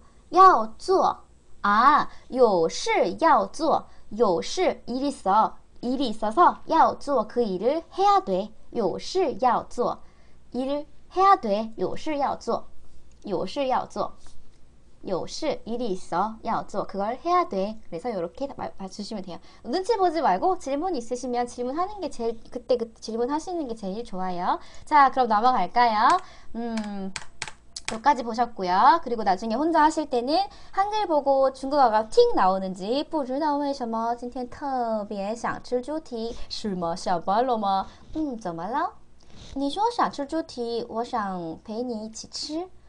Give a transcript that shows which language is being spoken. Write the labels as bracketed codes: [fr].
[zh] 要做啊，有事要做，有事 [ko] 일 있어, 일 있어서 [zh] 要做 [ko] 그 일을 해야 돼. [zh] 有事要做， [ko] 일을 해야 돼. [zh] 有事要做，有事要做，有事 [ko] 일 있어, [zh] 要做 [ko] 그걸 해야 돼. 그래서 이렇게 맞추시면 돼요. 눈치 보지 말고 질문 있으시면 질문하는 게 제일 그때 질문하시는 게 제일 좋아요. 자, 그럼 넘어갈까요? 여기까지 보셨고요. 그리고 나중에 혼자 하실 때는 한글 보고 중국어가 틱 나오는지 [zh] 不知道为什么今天特别想吃猪蹄 是吗？下班了吗？怎么了？你说想吃猪蹄，我想陪你一起吃。